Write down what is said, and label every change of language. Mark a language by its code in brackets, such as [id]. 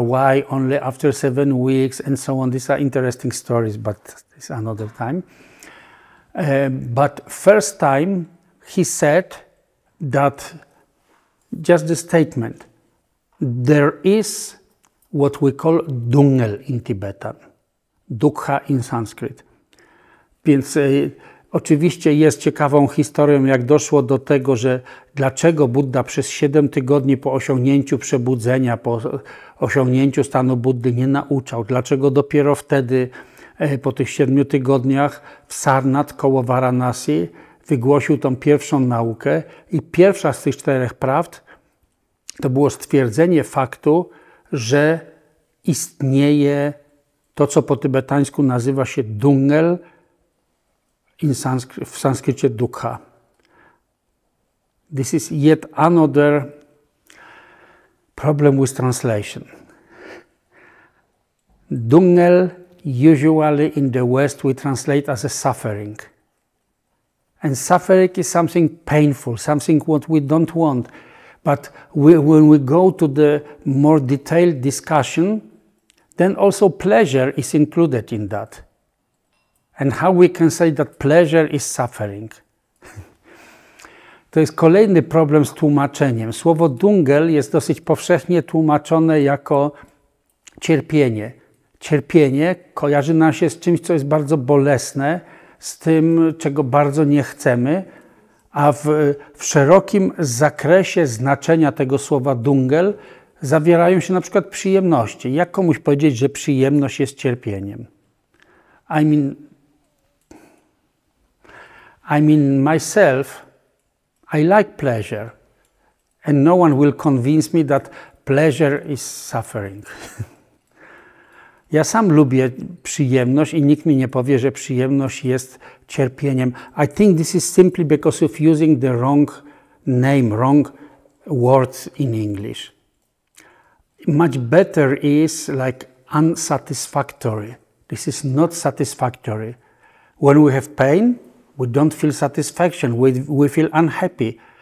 [en] Why only after 7 weeks and so on? These are interesting stories, but it's another time. But first time he said that just the statement: there is what we call dungel in Tibetan. Dukha in Sanskrit. [pl] Więc oczywiście jest ciekawą historią, jak doszło do tego, że dlaczego Budda przez 7 tygodni po osiągnięciu przebudzenia, po osiągnięciu stanu Buddy nie nauczał. Dlaczego dopiero wtedy, po tych 7 tygodniach, w Sarnath koło Varanasi wygłosił tą pierwszą naukę. I pierwsza z tych czterech prawd to było stwierdzenie faktu, że istnieje to, co po tybetańsku nazywa się dungel, w sanskrycie dukha. [en] This is yet another problem with translation. Dungel usually in the West we translate as a suffering. And suffering is something painful, something what we don't want. But when we go to the more detailed discussion, then also pleasure is included in that. And how we can say that pleasure is suffering? [pl] To jest kolejny problem z tłumaczeniem. Słowo dungel jest dosyć powszechnie tłumaczone jako cierpienie. Cierpienie kojarzy nam się z czymś, co jest bardzo bolesne, z tym, czego bardzo nie chcemy, a w szerokim zakresie znaczenia tego słowa dungel zawierają się na przykład przyjemności. Jak komuś powiedzieć, że przyjemność jest cierpieniem? [en] I mean myself, I like pleasure, and no one will convince me that pleasure is suffering. [pl] Ja sam lubię przyjemność i nikt mi nie powie, że przyjemność jest cierpieniem. [en] I think this is simply because of using the wrong name, wrong words in English. Much better is like unsatisfactory. This is not satisfactory. When we have pain, we don't feel satisfaction, we feel unhappy.